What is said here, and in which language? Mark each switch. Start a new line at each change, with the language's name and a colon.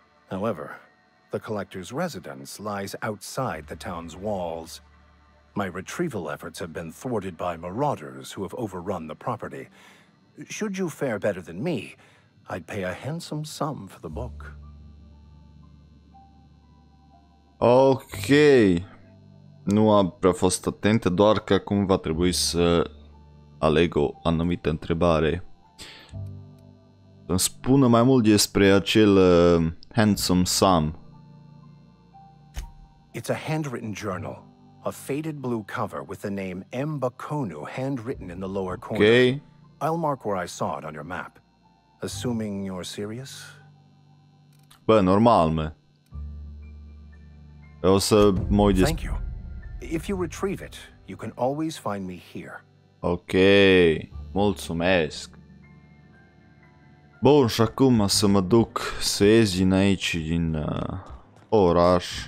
English: However, the collector's residence lies outside the town's walls. My retrieval efforts have been thwarted by marauders who have overrun the property. Should you fare better than me, I'd pay a handsome sum for the book.
Romanian: Ok, nu am prea fost atentă, doar că acum va trebui să aleg o anumită întrebare. Să-mi spună mai mult despre acel
English: handsome sum. It's a handwritten journal, a faded blue cover with the name M. Bakonu handwritten in the lower corner. Okay. I'll mark where I saw it on your map. Assuming you're serious?
Romanian: Bă, normal, mă. O să mă uit.
English: Thank you. If you retrieve it, you can always find me here.
Romanian: Ok, mulțumesc. Bun, și acum să mă duc să ies din aici, din oraș.